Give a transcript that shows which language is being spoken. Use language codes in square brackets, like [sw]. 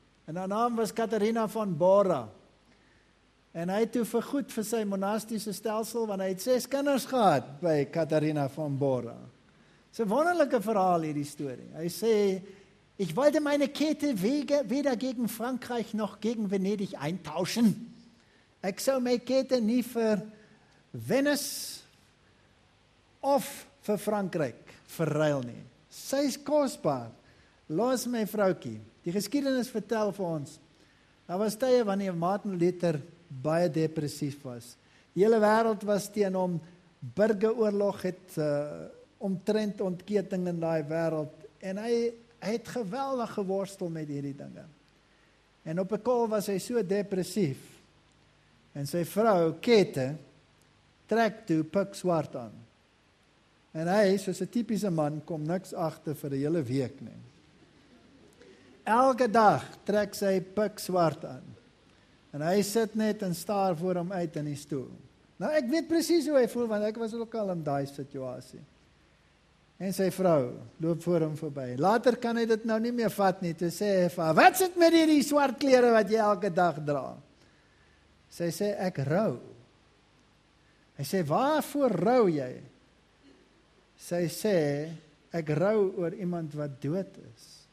[af] En haar naam was Katharina van Bora. En hy het toe vergoed vir sy monastiese stelsel, want hy het 6 kinders gehad by Katharina van Bora. Dis 'n wonderlike verhaal hierdie storie. Hy sê, [de] ich wollte meine Kette weder gegen Frankreich noch gegen Venedig eintauschen. [af] Ek sou my kette nie vir Venice of vir Frankryk verruil nie. Sy is kostbaar. Los my vroukie. Die geskiedenis vertel vir ons. Daar was tye wanneer Martin Luther baie depressief was. Die hele wêreld was teen hom. Burgeroorlog het omtrent ontketing in daai wêreld. En hy het geweldig geworstel met hierdie dinge. En op 'n kol was hy so depressief. En sy vrou, Kette, trek toe pik swart aan. En hy, soos 'n typiese man, kom niks agter vir 'n hele week nie. Elke dag trek sy pik swart aan. En hy sit net en staar voor hom uit in die stoel. Nou, ek weet presies hoe hy voel, want ek was ook al in daai situasie. En sy vrou loop voor hom voorbij. Later kan hy dit nou nie meer vat nie, te sê, wat sit met hierdie swart klere wat jy elke dag dra? Sy sê, ek rou. Hy sê, waarvoor rou jy? Sy sê, ek rou oor iemand wat dood is.